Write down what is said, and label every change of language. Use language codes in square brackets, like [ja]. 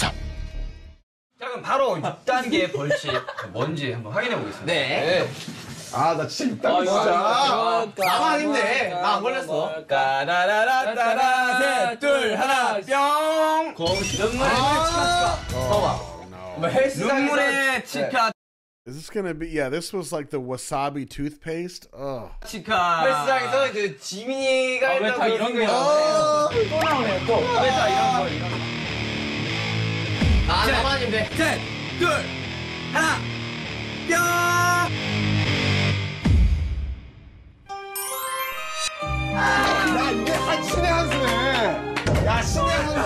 [ko] 자 그럼 바로 6단계 벌칙 뭔지 한번 확인해 보겠습니다. 네. 네. 아, 나 진짜 진짜. 나만 힘내. 나 안 걸렸어. 까라라라따라 셋, 둘, 하나, 뿅! 거기 눈물의 치카. 봐봐. 눈물의 치카. [en] Is this gonna be, yeah, this was like the wasabi toothpaste? Ugh. [ko] 치카. 헬스장에서 이제 지민이가 왜 다 이런 거야? 또 나오네, 또. 왜 다 이런 거야? 아, 나만 힘내. 셋, 둘, 하나, 뿅! 아, 야, 이게 신의 한수네. 야, 신의 한수.